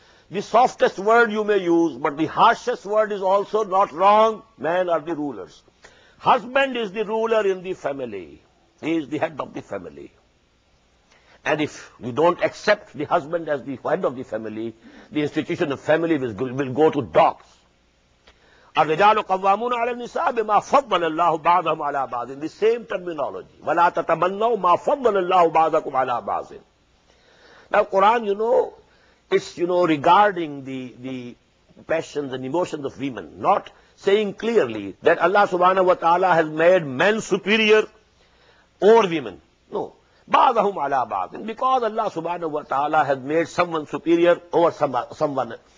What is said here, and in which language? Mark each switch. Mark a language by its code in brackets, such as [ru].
[en] The softest word you may use, but the harshest word is also not wrong. Men are the rulers. Husband is the ruler in the family. He is the head of the family. And if you don't accept the husband as the head of the family, the institution of family will go to docks. [ar] الرجال قوامون على النساء بما فضل الله بعضهم على بعض. [en] In the same terminology. [ar] ولا تتمنوا ما فضل الله بعضكم على بعض. [en] Now Quran, you know, it's, you know, regarding the passions and emotions of women, not saying clearly that Allah subhanahu wa ta'ala has made men superior over women. No. [ar] بعضهم على بعض. [en] Because Allah subhanahu wa ta'ala has made someone superior over someone.